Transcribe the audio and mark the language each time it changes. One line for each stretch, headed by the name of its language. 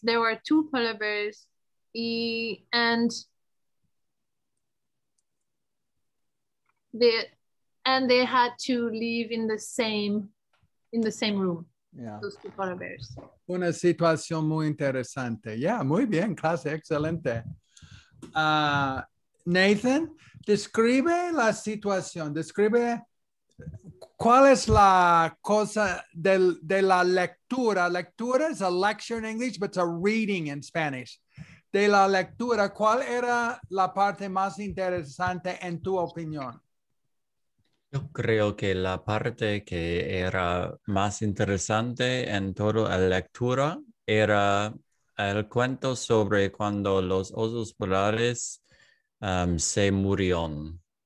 English: There were two polar bears. And they had to live in the same room. Yeah. Those two polar bears.
Spanish: Una situación muy interesante. Yeah, muy bien, clase, excelente. Nathan, describe la situación. Describe cuál es la cosa de la lectura.
English: Lectura is a lecture in English, but it's a reading in Spanish.
Spanish: De la lectura, ¿cuál era la parte más interesante en tu opinión? Yo creo que la parte que era más interesante en toda la lectura era el cuento sobre cuando los osos polares se murieron.